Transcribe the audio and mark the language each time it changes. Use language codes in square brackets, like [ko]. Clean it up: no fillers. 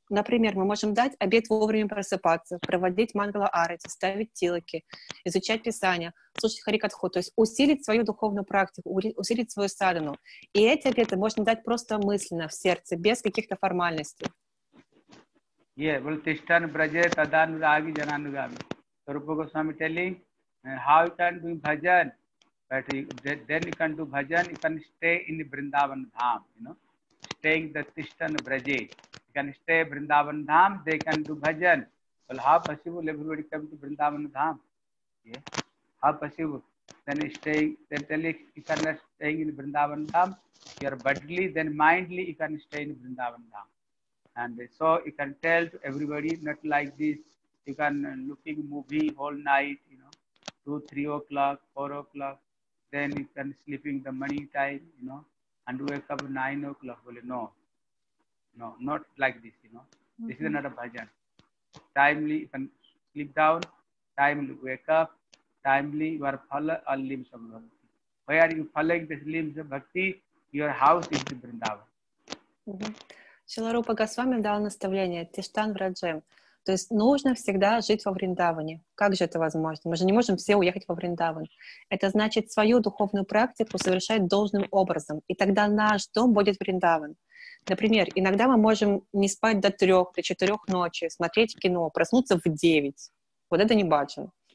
[ru] Например, мы можем дать обет вовремя просыпаться, проводить мангала арати, ставить тилаки, изучать писание, слушать харикатху, то есть усилить свою духовную практику, усилить свою садхану. И эти обеты можно дать просто мысленно, в сердце, без каких-то формальностей. [en] Yeah, well, [sa] Tishtan Braja Tadan Ragi Jananugami. [en] Sarupa Goswami telling, how you can do bhajan? But then you can do bhajan, you can stay in the Vrindavan Dham, you know. Staying the Tishtan Braje. You can stay Vrindavan Dham, they can do bhajan. Well, how possible everybody come to Vrindavan Dham? Yeah. How possible? Then staying, then telling you can stay in Vrindavan Dham, your bodily, then mindly you can stay in Vrindavan Dham. And so you can tell to everybody, not like this. You can looking movie whole night, you know, 2-3 o'clock, 4 o'clock, then you can sleeping the money time, you know. And wake up 9 o'clock, well, no, not like this, you know. Mm-hmm. This is not a bhajan. Timely, you can sleep down, timely wake up, timely you are following all limbs of bhakti. Why are you following the limbs of bhakti? Your house is the Vrindavan. [ru] Шрила Рупа Госвами дал наставление, Тиштан Враджем. То есть нужно всегда жить во Вриндаване. Как же это возможно? Мы же не можем все уехать во Вриндаван. Это значит свою духовную практику совершать должным образом. И тогда наш дом будет Вриндаван. Например, иногда мы можем не спать до 3-4 ночи, смотреть кино, проснуться в 9. Вот это не бачен.